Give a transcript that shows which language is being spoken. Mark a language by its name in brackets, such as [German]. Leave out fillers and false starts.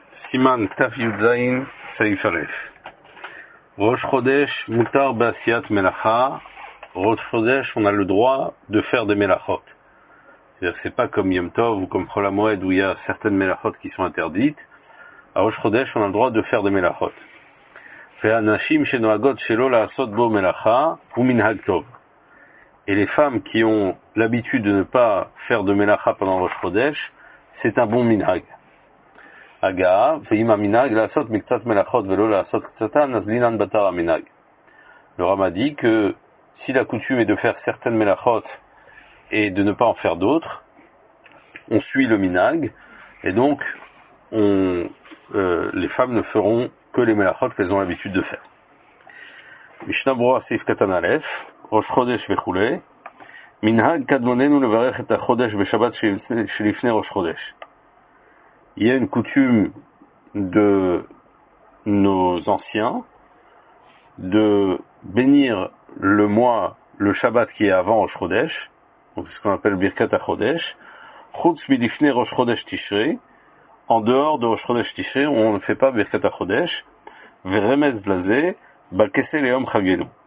[Hebrew] סימן תפ"ז סעיף א', ראש חודש מותר בעשיית מלאכה, ראש חודש [French] on a le droit de faire des מלאכות. C'est pas comme Yom Tov ou comme Chol HaMoed où il y a certaines מלאכות qui sont interdites. À ראש חודש on a le droit de faire des מלאכות. [Hebrew] והנשים שנוהגות שלא לעשות בו מלאכה הוא מנהג טוב. [French] Et les femmes qui ont l'habitude de ne pas faire de מלאכה pendant ראש חודש, c'est un bon מנהג. [Hebrew] אגב, ואם המנהג לעשות מקצת מלאכות ולא לעשות קצתן, אז לינן בתר המנהג. [French] Le Rama dit que si la coutume est de faire certaines מלאכות et de ne pas en faire d'autres, on suit le מנהג, et donc les femmes ne feront que les מלאכות qu'elles ont l'habitude de faire. [Hebrew] משנה ברורה, סעיף קטן א', ראש חודש וכולי, מנהג קדמוננו לברך את החודש בשבת שלפני ראש חודש. [French] Il y a une coutume de nos anciens de bénir le mois, le Shabbat qui est avant Rosh Chodesh, donc c'est ce qu'on appelle Birkat HaChodesh, [Hebrew] Chutz Milifnei Rosh Chodesh Tishrei, [French] en dehors de Rosh Chodesh Tishrei, on ne fait pas Birkat HaChodesh, [Hebrew] Veremez Blazé, Bakesse Leom Chagenu.